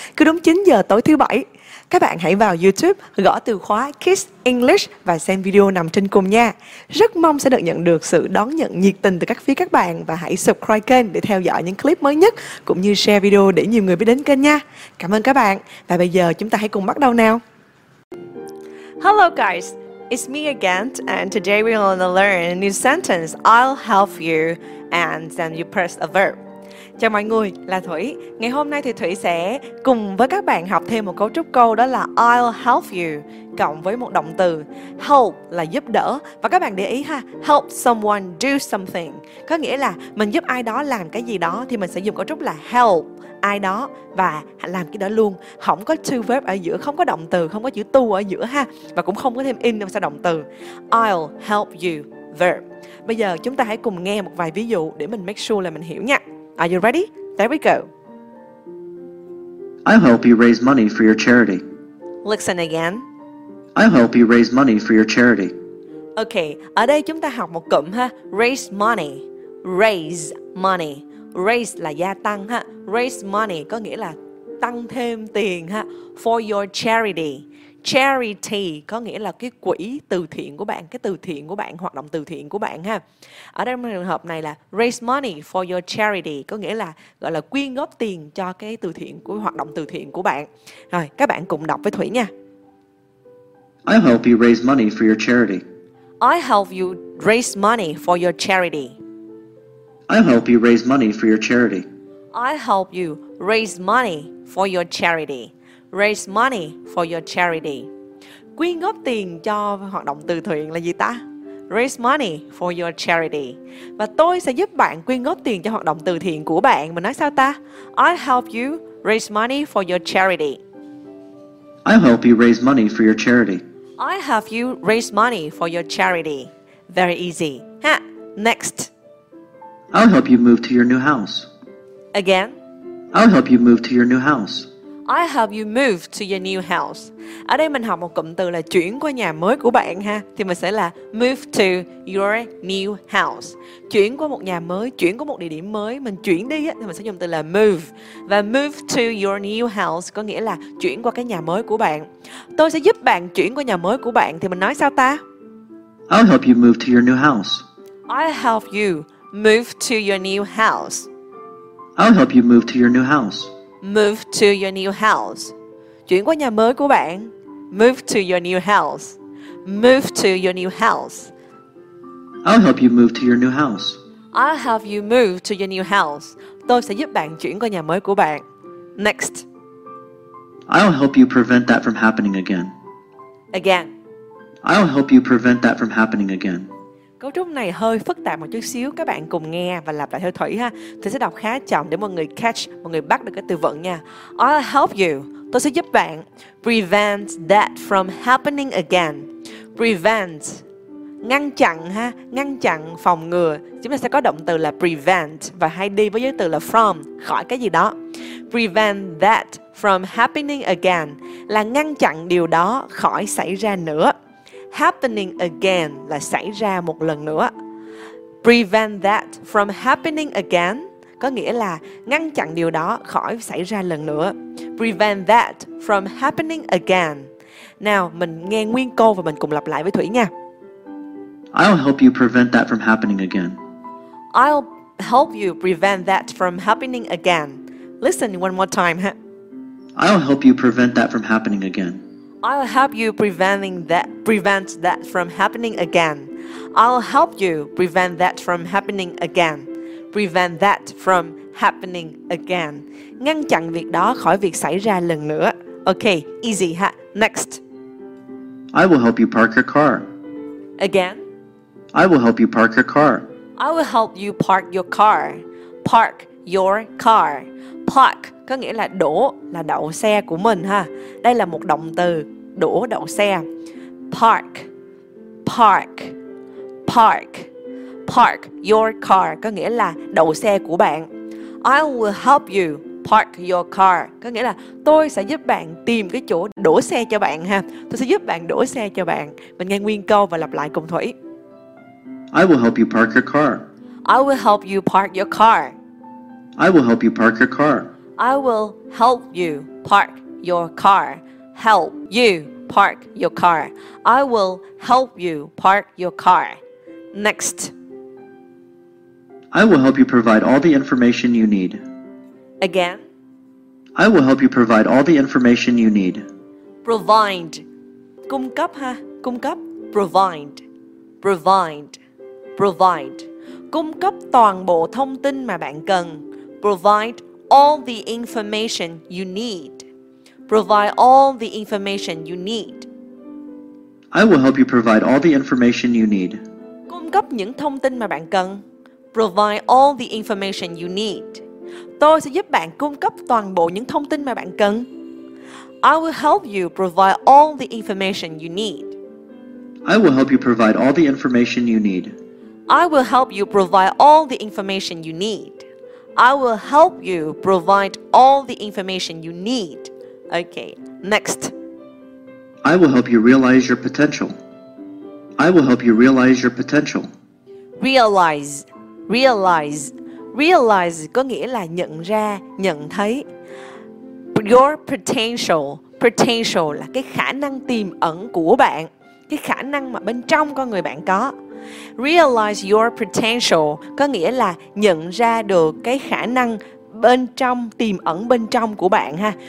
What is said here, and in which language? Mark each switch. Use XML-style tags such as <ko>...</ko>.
<vi>Cứ đúng 9 giờ tối thứ bảy, các bạn hãy vào YouTube gõ từ khóa Kiss English và xem video nằm trên cùng nha. Rất mong sẽ được nhận được sự đón nhận nhiệt tình từ các phía các bạn và hãy subscribe kênh để theo dõi những clip mới nhất cũng như share video để nhiều người biết đến kênh nha. Cảm ơn các bạn và bây giờ chúng ta hãy cùng bắt đầu nào.</vi> <en>Hello guys, it's me again, and today we're going to learn a new sentence, I'll help you, and then you press a verb.</en> <vi>Chào mọi người, là Thủy. Ngày hôm nay thì Thủy sẽ cùng với các bạn học thêm một cấu trúc câu, đó là</vi> <en>I'll help you,</en> <vi>cộng với một động từ. Help là giúp đỡ, và các bạn để ý ha,</vi> <en>help someone do something,</en> <vi>có nghĩa là mình giúp ai đó làm cái gì đó, thì mình sẽ dùng cấu trúc là help ai đó và làm cái đó luôn, không có to verb ở giữa, không có động từ, không có chữ to ở giữa ha, và cũng không có thêm in sau động từ.</vi> <en>I'll help you, verb.</en> <vi>Bây giờ chúng ta hãy cùng nghe một vài ví dụ để mình make sure là mình hiểu nha.</vi> <en>Are you ready? There we go. I'll help you raise money for your charity. Listen again. I'll help you raise money for your charity.</en> <vi>Okay, ở đây chúng ta học một cụm ha,</vi> <en>raise money. Raise money.</en> <vi>Raise là gia tăng ha. Raise money có nghĩa là tăng thêm tiền ha.</vi> <en>For your charity.</en> <vi>Charity có nghĩa là cái quỹ từ thiện của bạn, cái từ thiện của bạn, hoạt động từ thiện của bạn ha. Ở đây trong trường hợp này là</vi> <en>raise money for your charity</en> <vi>có nghĩa là gọi là quyên góp tiền cho cái từ thiện của hoạt động từ thiện của bạn. Rồi, các bạn cùng đọc với Thủy nha.</vi> <en>I help you raise money for your charity. I help you raise money for your charity. I help you raise money for your charity. I help you raise money for your charity. Raise money for your charity.</en> <vi>Quyên góp tiền cho hoạt động từ thiện là gì ta?</vi> <en>Raise money for your charity.</en> <vi>Và tôi sẽ giúp bạn quyên góp tiền cho hoạt động từ thiện của bạn. Mình nói sao ta?</vi> <en>I help you raise money for your charity. I help you raise money for your charity. I help you raise money for your charity. Very easy. Ha. Next. I'll help you move to your new house. Again. I'll help you move to your new house. I help you move to your new house.</en> <vi>Ở đây mình học một cụm từ là chuyển qua nhà mới của bạn ha. Thì mình sẽ là</vi> <en>move to your new house.</en> <vi>Chuyển qua một nhà mới, chuyển qua một địa điểm mới. Mình chuyển đi thì mình sẽ dùng từ là move. Và</vi> <en>move to your new house</en> <vi>có nghĩa là chuyển qua cái nhà mới của bạn. Tôi sẽ giúp bạn chuyển qua nhà mới của bạn. Thì mình nói sao ta?</vi> <en>I'll help you move to your new house. I'll help you move to your new house. I'll help you move to your new house. Move to your new house.</en> <vi>Chuyển qua nhà mới của bạn.</vi> <en>Move to your new house. Move to your new house. I'll help you move to your new house. I'll help you move to your new house.</en> <vi>Tôi sẽ giúp bạn chuyển qua nhà mới của bạn.</vi> <en>Next. I'll help you prevent that from happening again. Again. I'll help you prevent that from happening again.</en> <vi>Cấu trúc này hơi phức tạp một chút xíu, các bạn cùng nghe và lặp lại theo Thủy ha. Thủy sẽ đọc khá chậm để mọi người catch, mọi người bắt được cái từ vựng nha.</vi> <en>I'll help you.</en> <vi>Tôi sẽ giúp bạn</vi> <en>prevent that from happening again. Prevent.</en> <vi>Ngăn chặn ha, ngăn chặn, phòng ngừa. Chúng ta sẽ có động từ là prevent và hay đi với giới từ là from, khỏi cái gì đó.</vi> <en>Prevent that from happening again</en> <vi>là ngăn chặn điều đó khỏi xảy ra nữa.</vi> <en>Happening again</en> <vi>là xảy ra một lần nữa.</vi> <en>Prevent that from happening again</en> <vi>có nghĩa là ngăn chặn điều đó khỏi xảy ra lần nữa.</vi> <en>Prevent that from happening again.</en> <vi>Nào, mình nghe nguyên câu và mình cùng lặp lại với Thủy nha.</vi> <en>I'll help you prevent that from happening again. I'll help you prevent that from happening again. Listen one more time. I'll help you prevent that from happening again. I'll help you prevent that from happening again. I'll help you prevent that from happening again. Prevent that from happening again.</en> <vi>Ngăn chặn việc đó khỏi việc xảy ra lần nữa.</vi> <en>Okay, easy ha. Next. I will help you park your car. Again? I will help you park your car. I will help you park your car. Park your car.</en> <vi>Park có nghĩa là đỗ, là đậu xe của mình ha. Đây là một động từ, đỗ đậu xe. Park, park, park,</vi> <en>park your car</en> <vi>có nghĩa là đậu xe của bạn.</vi> <en>I will help you park your car</en> <vi>có nghĩa là tôi sẽ giúp bạn tìm cái chỗ đỗ xe cho bạn ha. Tôi sẽ giúp bạn đỗ xe cho bạn. Mình nghe nguyên câu và lặp lại cùng Thủy.</vi> <en>I will help you park your car. I will help you park your car. I will help you park your car. I will help you park your car. Help you park your car. I will help you park your car. Next. I will help you provide all the information you need. Again. I will help you provide all the information you need. Provide.</en> <vi>Cung cấp ha, cung cấp.</vi> <en>Provide. Provide. Provide.</en> <vi>Cung cấp toàn bộ thông tin mà bạn cần.</vi> <en>Provide all the information you need. Provide all the information you need. I will help you provide all the information you need.</en> <vi>Cung cấp những thông tin mà bạn cần.</vi> <en>Provide all the information you need.</en> <vi>Tôi sẽ giúp bạn cung cấp toàn bộ những thông tin mà bạn cần.</vi> <en>I will help you provide all the information you need. I will help you provide all the information you need. I will help you provide all the information you need. I will help you provide all the information you need. Okay, next. I will help you realize your potential. I will help you realize your potential. Realize, realize.</en> <vi>Realize có nghĩa là nhận ra, nhận thấy.</vi> <en>Your potential,</en> <vi>potential là cái khả năng tiềm ẩn của bạn, cái khả năng mà bên trong con người bạn có.</vi> <en>Realize your potential</en> <vi>có nghĩa là nhận ra được cái khả năng bên trong, tiềm ẩn bên trong của bạn ha.</vi>